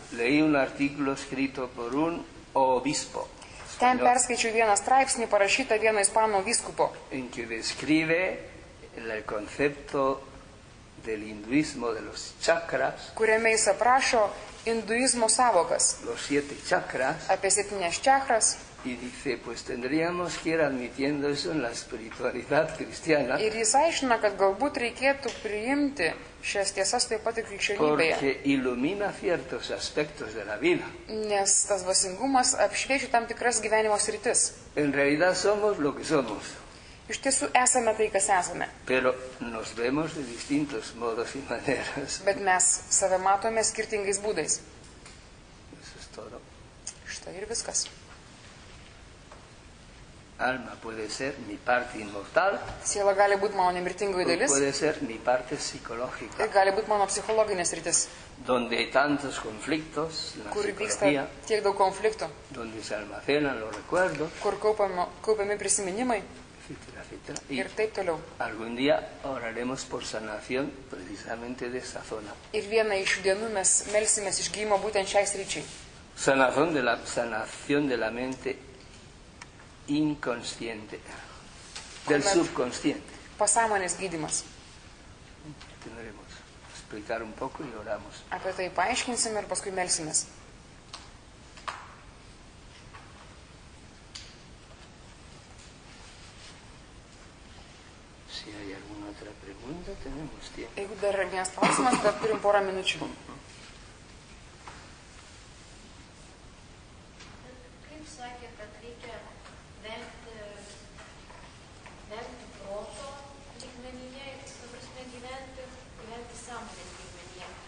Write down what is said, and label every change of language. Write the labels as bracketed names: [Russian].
[Spanish] Leí un artículo escrito por un obispo. [Lithuanian] Ten perskaičiau vieną straipsnį, parašytą vieno ispano vyskupo. [Spanish] En que describe el concepto del hinduismo de los chakras. [Lithuanian] Kuriame jis aprašo hinduismo sąvokas. [Spanish] Los siete chakras. [Lithuanian] Apie septynias chakras. [Spanish] Y dice, pues tendríamos que ir admitiendo eso en la espiritualidad cristiana. [Lithuanian] Ir jis aiškina, kad galbūt reikėtų priimti šias tiesas taip pat ir krikščionybėje. [Spanish] Porque ilumina ciertos aspectos de la vida. [Lithuanian] Nes tas vasingumas apšviečia tam tikras gyvenimo sritis. [Spanish] En realidad somos lo que somos. [Lithuanian] Iš tiesų esame tai, kas esame. [Spanish] Pero nos vemos de distintos modos y maneras. [Lithuanian] Bet mes save matome skirtingais būdais. Štai ir viskas. [Spanish] Alma puede ser mi parte inmortal. [Lithuanian] Siela gali būti mano nemirtingoji dalis. [Spanish] Puede ser mi parte psicológica. [Lithuanian] Ir gali būti mano psichologinė sritis. [Spanish] Donde hay tantos conflictos, [Lithuanian] kur [Spanish] la psicología. [Lithuanian] Tiek daug konfliktų. [Spanish] Donde se almacenan los recuerdos. [Lithuanian] Kur kaupiami prisiminimai. Ir taip toliau. [Spanish] Algún día oraremos por sanación precisamente de esta zona. [Lithuanian] Ir vieną iš dienų mes melsimės išgyjimo būtent šiai sričiai. [Spanish] Sanación de la mente inconsciente, del subconsciente. [Lithuanian] Pasąmonės gydymas. [Spanish] Tendremos que explicar un poco y oramos. [Lithuanian] Apie tai paaiškinsime ir paskui melsimės. Jeigu dar yra vienas klausimas, dar turim porą minučių. Kaip sakė, kad reikia vengti proto lygmenyje ir su prasme gyventi sąmonės lygmenyje.